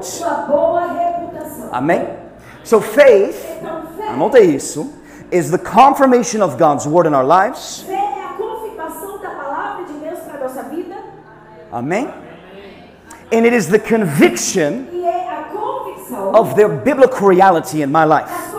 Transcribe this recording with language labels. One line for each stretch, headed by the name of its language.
English: Amém? So faith,
Portuguese: anota isso,
English: is the confirmation of God's word in our lives.
Portuguese: Fé é a confirmação da palavra de Deus para nossa vida. Amém?
English: And it is the conviction of their biblical reality in my life.